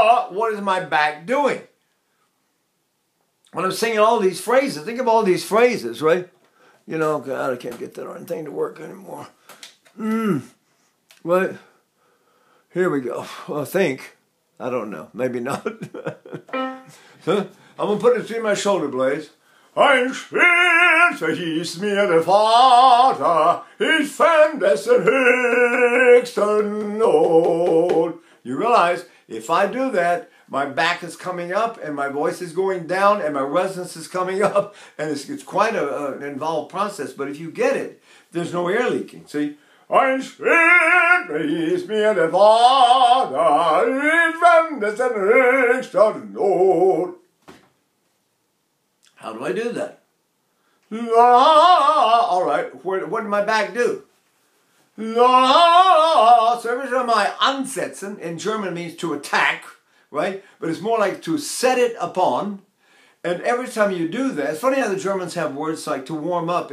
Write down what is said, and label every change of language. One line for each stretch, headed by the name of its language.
English: What is my back doing? When I'm singing all these phrases, think of all these phrases, right? You know, God, I can't get that darn thing to work anymore. Right? Here we go. Well, I think. I don't know. Maybe not. I'm going to put it through my shoulder blades.
German: Ein Schild verhieß mir der Vater, ich fand dessen höchste Not.
English: You realize, if I do that, my back is coming up, and my voice is going down, and my resonance is coming up, and it's quite an involved process, but if you get it, there's no air leaking, see?
German: Ein Schild verhieß mir der Vater, ich fand dessen höchste Not.
English: How do I do that? All right, what did my back do? So every time I ansetzen, in German means to attack, right? But it's more like to set it upon. And every time you do that, it's funny how the Germans have words like to warm up.